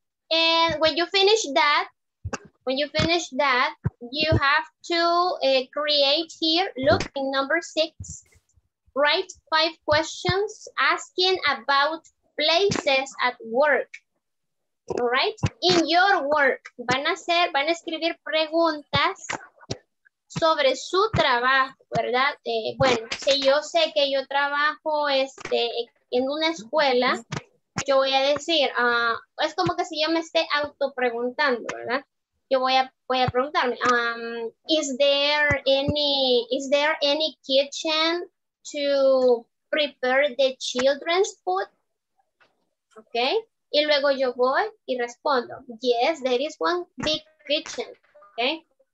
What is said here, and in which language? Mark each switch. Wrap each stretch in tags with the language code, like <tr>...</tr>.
<en>And when you finish that, you have to create here, look in number six, write five questions asking about places at work, all right? In your work,</en> <es>van a escribir preguntas sobre su trabajo, ¿verdad? Bueno, si yo sé que yo trabajo en una escuela, yo voy a decir, es como que si yo me esté autopreguntando, ¿verdad? Yo voy a preguntarme,</es> <en>is there any kitchen to prepare the children's food? Okay.</en> <es>Y luego yo voy y respondo,</es> <en>yes, there is one big kitchen. Okay.</en>